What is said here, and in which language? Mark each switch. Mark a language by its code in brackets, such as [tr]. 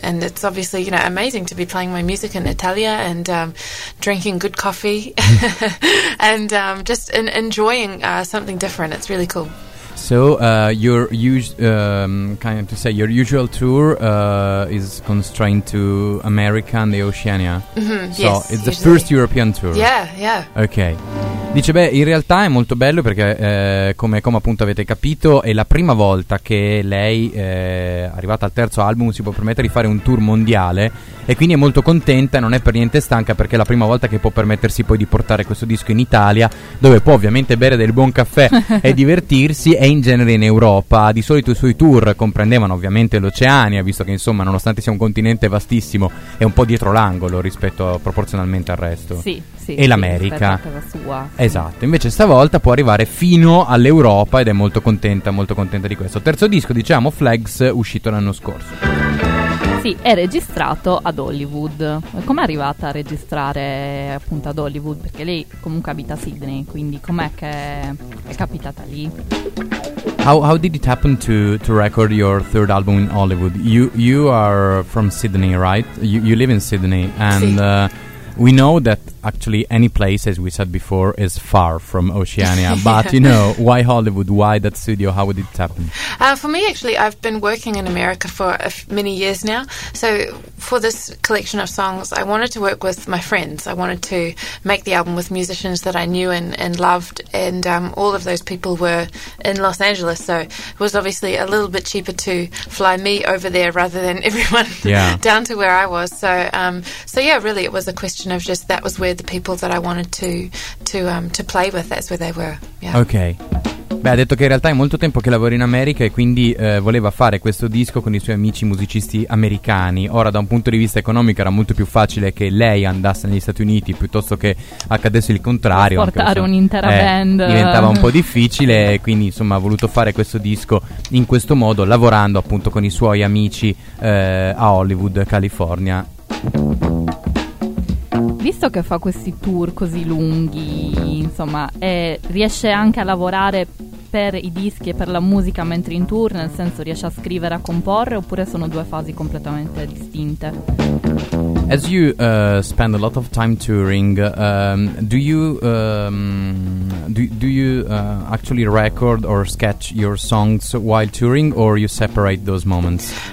[en] And it's obviously, you know, amazing to be playing my music in Italia and drinking good coffee and just enjoying something different. It's really cool. So your usual tour is constrained to America and the Oceania. Mm-hmm, so yes, it's the first European tour. Yeah. Okay. [it] Dice, beh, in realtà è molto bello perché come appunto avete capito, è la prima volta che lei, arrivata al terzo album, si può permettere di fare un tour mondiale. E quindi è molto contenta, non è per niente stanca, perché è la prima volta che può permettersi poi di portare questo disco in Italia, dove può ovviamente bere del buon caffè e divertirsi. E in genere in Europa, di solito i suoi tour comprendevano ovviamente l'Oceania, visto che insomma, nonostante sia un continente vastissimo, è un po' dietro l'angolo rispetto proporzionalmente al resto. Sì. Sì, e l'America sua, sì. Esatto, invece stavolta può arrivare fino all'Europa ed è molto contenta di questo. Terzo disco, diciamo, Flags, uscito l'anno scorso. Sì, è registrato ad Hollywood. Com'è arrivata a registrare appunto ad Hollywood? Perché lei comunque abita a Sydney, quindi com'è che è capitata lì? [en] How did it happen to record your third album in Hollywood? You are from Sydney, right? You live in Sydney. And [it] sì. [en] We know that actually any place, as we said before, is far from Oceania. But you know, why Hollywood? Why that studio? How did it happen? For me, actually, I've been working in America for many years now. So for this collection of songs, I wanted to work with my friends. I wanted to make the album with musicians that I knew and loved, and all of those people were in Los Angeles. So it was obviously a little bit cheaper to fly me over there rather than everyone down to where I was. So really, it was a question of just that was where the people that I wanted to play with, that's where they were. Yeah. Okay. [it] Beh, ha detto che in realtà è molto tempo che lavora in America e quindi voleva fare questo disco con i suoi amici musicisti americani. Ora, da un punto di vista economico, era molto più facile che lei andasse negli Stati Uniti piuttosto che accadesse il contrario. Portare un'intera band. Diventava un po' difficile, e quindi insomma ha voluto fare questo disco in questo modo, lavorando appunto con i suoi amici a Hollywood, California. Visto che fa questi tour così lunghi, insomma, riesce anche a lavorare per i dischi e per la musica mentre in tour, nel senso riesce a scrivere, a comporre, oppure sono due fasi completamente distinte? [en] As you spend a lot of time touring, do you actually record or sketch your songs while touring, or you separate those moments?